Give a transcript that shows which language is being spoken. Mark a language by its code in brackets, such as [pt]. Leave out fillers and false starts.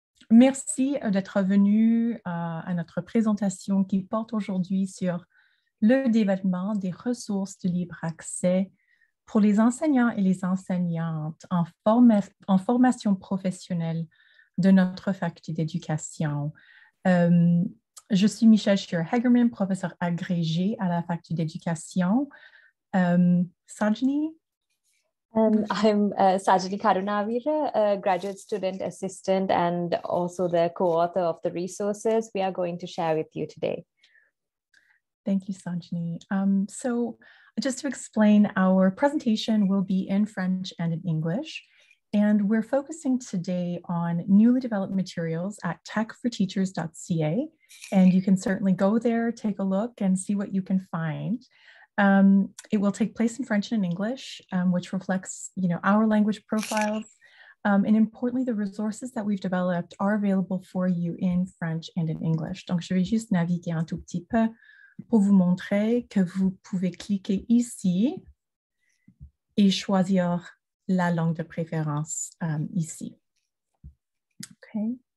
[fr] Merci d'être venu à notre présentation qui porte aujourd'hui sur le développement des ressources de libre accès pour les enseignants et les enseignantes en formation professionnelle de notre faculté d'éducation. Je suis Michelle Shearer-Hagerman, professeure agrégée à la faculté d'éducation. Sajani? [en] I'm Sajani Karunawira, a graduate student assistant and also the co-author of the resources we are going to share with you today. Thank you, Sajani. Just to explain, our presentation will be in French and in English, and we're focusing today on newly developed materials at techforteachers.ca, and you can certainly go there, take a look, and see what you can find. It will take place in French and in English, which reflects, you know, our language profiles, and importantly, the resources that we've developed are available for you in French and in English. [fr] Donc, je vais juste naviguer un tout petit peu pour vous montrer que vous pouvez cliquer ici et choisir la langue de préférence ici. Okay.